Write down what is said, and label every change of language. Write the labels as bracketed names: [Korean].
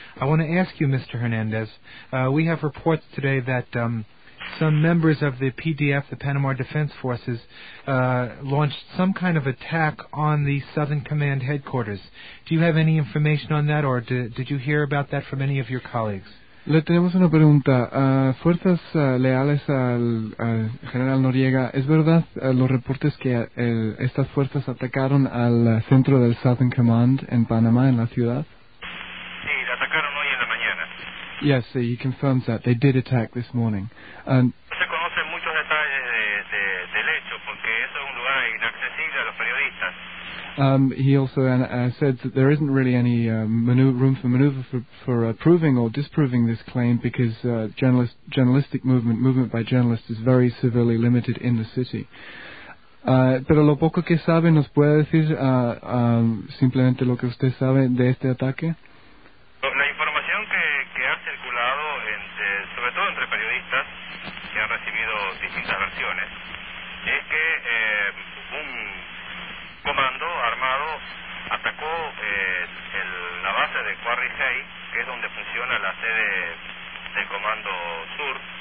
[English] I want to ask you, Mr. Hernandez, we have reports today that some members of the PDF, the Panama Defense Forces, launched some kind of attack on the Southern Command headquarters. Do you have any information on that, or did you hear about that from any of your colleagues? [Spanish] Le tenemos una pregunta. Fuerzas leales al general Noriega, ¿es verdad los reportes que estas fuerzas atacaron al centro del Southern Command en Panamá, en la ciudad? Sí, la atacaron hoy en la mañana. [English] Yes, so he confirms that. They did attack this morning. [Spanish] No se conocen muchos detalles del hecho, porque eso es un lugar inaccesible a los periodistas. [English] He also said that there isn't really any room for maneuver for proving or disproving this claim because journalistic movement by journalists is very severely limited in the city. [Spanish] Pero lo poco que sabe, ¿nos puede decir simplemente lo que usted sabe de este ataque? La información que ha circulado, sobre todo entre periodistas, que han recibido distintas versiones, es que un comando armado atacó la base de Quarry 6, que es donde funciona la sede del Comando Sur.